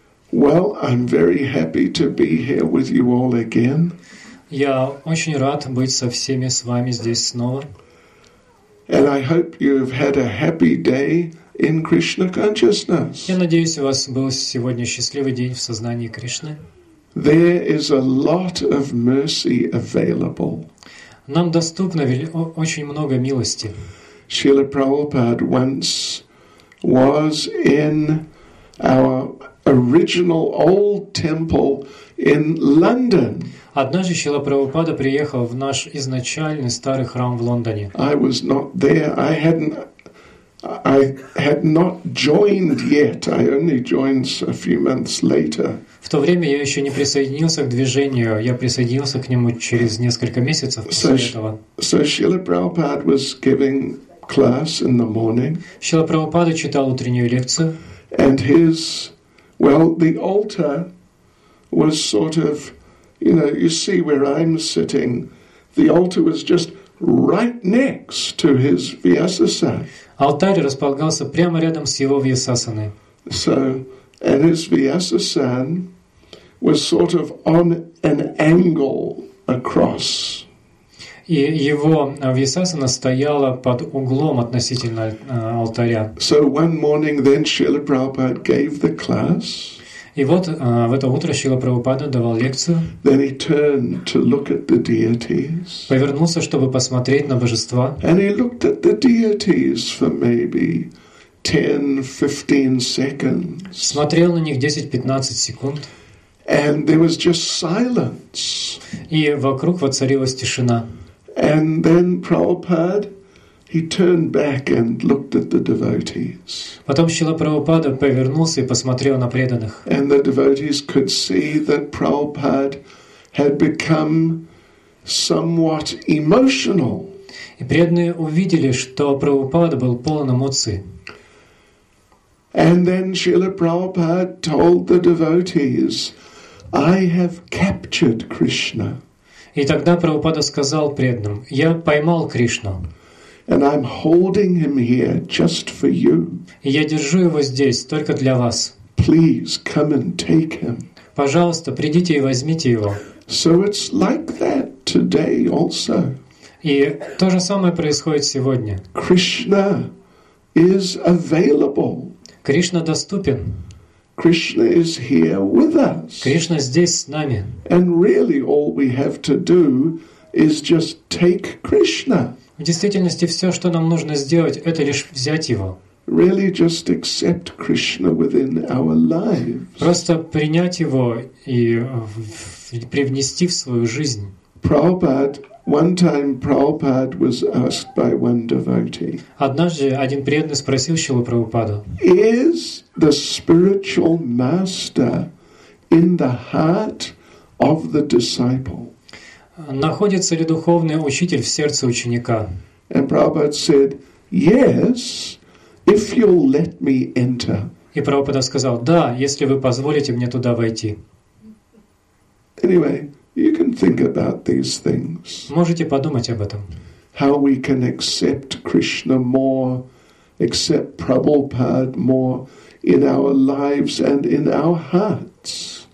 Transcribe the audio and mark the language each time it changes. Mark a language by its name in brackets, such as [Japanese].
[English] Well, I'm very happy to be here with you all again. [Russian] Я очень рад быть со всеми с вами здесь снова. [English] And I hope you've had a happy day in Krishna consciousness. [Russian] Я надеюсь, у вас был сегодня счастливый день в сознании Кришны. [English] There is a lot of mercy available. [Russian] Нам доступно очень много милости. [English] Srila Prabhupada once was in our original old temple in London. [Russian] Однажды Шрила Прабхупада приехал в наш изначальный старый храм в Лондоне. [English] I was not there. I had not joined yet. I only joined a few months later. [Russian] В то время я еще не присоединился к движению. Я присоединился к нему через несколько месяцев после этого. [English] So Srila Prabhupada was giving class in the morning. [Russian] Шрила Прабхупада читал утреннюю лекцию. [English] And his, well, the altar was sort of, you know, you see where I'm sitting. The altar was just right next to his Vyasasana. [Russian] Алтарь располагался прямо рядом с его Вьясасаной. [English] So, and his Vyasasana was sort of on an angle across. [Russian] И его Вьясасана стояла под углом относительно алтаря. [English] So one morning then Srila Prabhupada gave the class. [Russian] И вот в это утро Шрила Прабхупада давал лекцию. [English] Then he turned to look at the deities. [Russian] Повернулся, чтобы посмотреть на божества. [English] And he looked at the deities for maybe 10-15 seconds. [Russian] Смотрел на них 10-15 секунд. [English] And there was just silence. [Russian] И вокруг воцарилась тишина. [English] And then Prabhupada, he turned back and looked at the devotees. [Russian] Потом Шрила Прабхупада повернулся и посмотрел на преданных. [English] And the devotees could see that Prabhupada had become somewhat emotional. [Russian] И преданные увидели, что Прабхупада был полон эмоций. [English] And then Srila Prabhupada told the devotees, "I have captured Krishna." [Russian] И тогда Прабхупада сказал преданным: "Я поймал Кришну." [English] And I'm holding him here just for you. [Russian] Я держу его здесь только для вас. [English] Please come and take him. [Russian] Пожалуйста, придите и возьмите его. [English] So it's like that today also. [Russian] И то же самое происходит сегодня. [English] Krishna is available. [Russian] Кришна доступен. [English] Krishna is here with us. [Russian] Кришна здесь с нами. [English] And really all we have to do is just take Krishna. [Russian] В действительности все, что нам нужно сделать, это лишь взять его. [English] Really just accept Krishna within our lives. [Russian] Просто принять его и привнести в свою жизнь. [English] Prabhupada was asked by one devotee. [Russian] Однажды один преданный спросил Шрилу Прабхупаду: [English] "Is the spiritual master in the heart of the disciple?" [Russian] Находится ли духовный учитель в сердце ученика? [English] And Prabhupada said, "Yes, if you'll let me enter." [Russian] И Прабхупада сказал: "Да, если вы позволите мне туда войти." [English] Anyway, you can think about these things. [Russian] Можете подумать об этом. [English] How we can accept Krishna more, accept Prabhupada more in our lives and in our hearts.